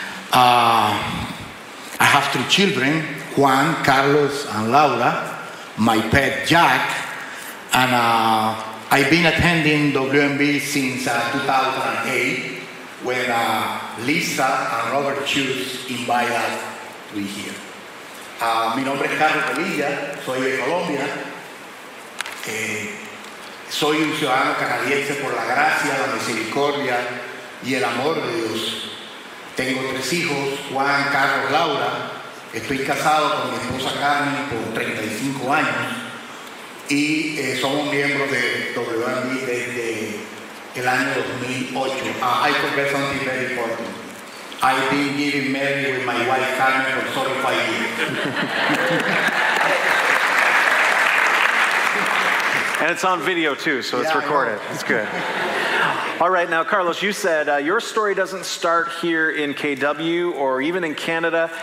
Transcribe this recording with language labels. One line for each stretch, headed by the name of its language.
English: I have three children, Juan, Carlos, and Laura. My pet Jack, and I've been attending WMB since 2008, when Lisa and Robert Chus invited us to be here.
Spanish: Mi nombre es Carlos Velilla, soy de Colombia. Soy un ciudadano canadiense por la gracia, la misericordia y el amor de Dios. Tengo tres hijos, Juan, Carlos, Laura. Estoy casado con mi esposa Carmen por 35 años y somos miembros de WMB desde el año 2008.
English: I forget something very important. I've been getting married with my wife Carmen for 35 years. And it's on video too, so it's recorded. It's good. All right, now, Carlos, you said your story doesn't start here in KW or even in Canada.